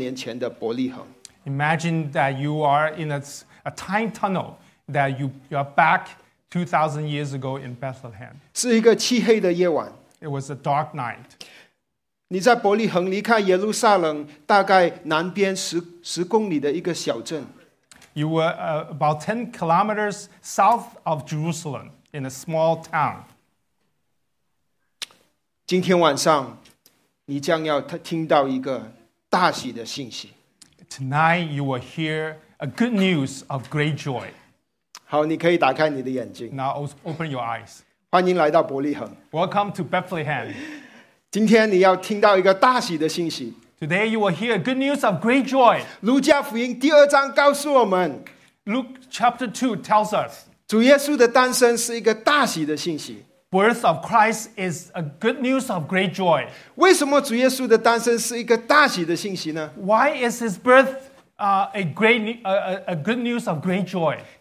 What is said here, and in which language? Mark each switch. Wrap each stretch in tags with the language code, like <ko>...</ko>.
<zh>我要你想象你现在进入到时光的隧道，来到2000多年前的伯利恒。</zh> <en>Imagine that you are in a time tunnel, that you are back 2,000 years ago in Bethlehem.</en> <zh>是一个漆黑的夜晚。</zh> <en>It was a dark night.</en> <zh>你在伯利恒离开耶路撒冷大概南边十公里的一个小镇。</zh> <en>You were about 10 kilometers south of Jerusalem in a small town.</en> <zh>今天晚上你将要听到一个大喜的信息。</zh> <en>Tonight you will hear a good news of great joy.</en> <zh>好，你可以打开你的眼睛。</zh> <en>Now open your eyes.</en> <zh>欢迎来到伯利恒。</zh> <en>Welcome to Bethlehem.</en> <zh>今天你要听到一个大喜的信息。</zh> <en>Today you will hear good news of great joy.</en> <zh>路加福音第二章告诉我们。Luke</zh> <en>chapter 2 tells us.</en> <zh>主耶稣的诞生是一个大喜的信息。</zh> <en>Birth of Christ is a good news of great joy.</en> <zh>为什么主耶稣的诞生是一个大喜的信息呢?</zh> <en>Why is his birth a good news of great joy?</en>